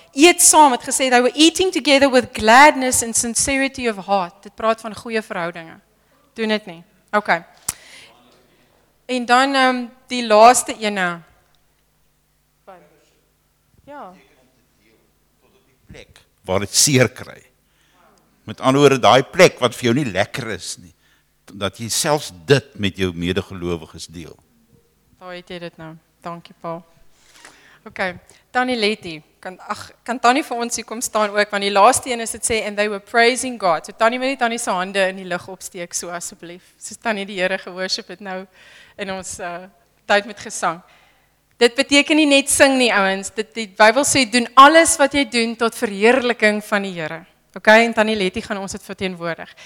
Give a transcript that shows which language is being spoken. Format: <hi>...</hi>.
<af>Eet saam, het gesê,</af> <en>they were eating together with gladness and sincerity of heart.</en> <af>Dit praat van goeie verhoudinge. Doen dit nie. Ok. En dan die laaste ene. Ja. Waar het seer kry. Met ander woorde, daai plek wat vir jou nie lekker is nie, dat jy selfs dit met jou medegelowiges deel. Daar het jy dit nou. Dankie, Paul. Ok, Tannie Letty, kan Tannie vir ons hier kom staan ook, want die laaste een is het sê,</af> <en>and they were praising God.</en> <af>So Tannie met die Tannie se hande in die lig opsteek, so asseblief. So Tannie die Here geworship het nou in ons tyd met gesang. Dit beteken nie net sing nie, ouwens. Die Bybel sê, doen alles wat jy doen tot verheerliking van die Here. Ok, en Tannie Letty gaan ons het verteenwoordig.</af>